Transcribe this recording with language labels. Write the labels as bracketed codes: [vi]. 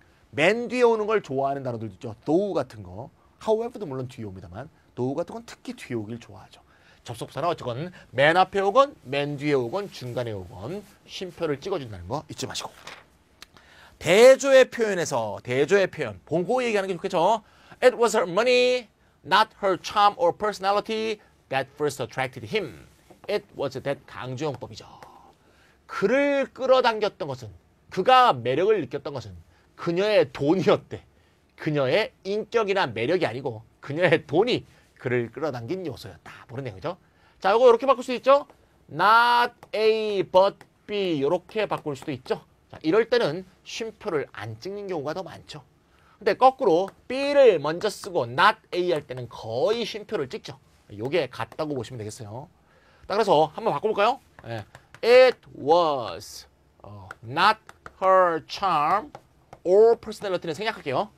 [ko] 맨 뒤에 오는 걸 좋아하는 단어들도 있죠. Though 같은 거 However도 물론 뒤에 옵니다만 Though 같은 건 특히 뒤에 오길 좋아하죠. 접속사나 어쨌건 맨 앞에 오건 맨 뒤에 오건 중간에 오건 쉼표를 찍어준다는 거 잊지 마시고. 대조의 표현에서 대조의 표현 본고 얘기하는 게 좋겠죠. [en] It was her money, not her charm or personality that first attracted him. It was that [ko] 강조용법이죠. 그를 끌어당겼던 것은, 그가 매력을 느꼈던 것은 그녀의 돈이었대. 그녀의 인격이나 매력이 아니고 그녀의 돈이 그를 끌어당긴 요소였다. 보는 내용이죠. 자, 이거 이렇게 바꿀 수 있죠. [en] Not A, but B. [ko] 이렇게 바꿀 수도 있죠. 자, 이럴 때는 쉼표를 안 찍는 경우가 더 많죠. 근데 거꾸로 B를 먼저 쓰고 Not A 할 때는 거의 쉼표를 찍죠. 이게 같다고 보시면 되겠어요. 자, 그래서 한번 바꿔볼까요? 네. [en] It was not her charm or personality는 [ko] 생략할게요.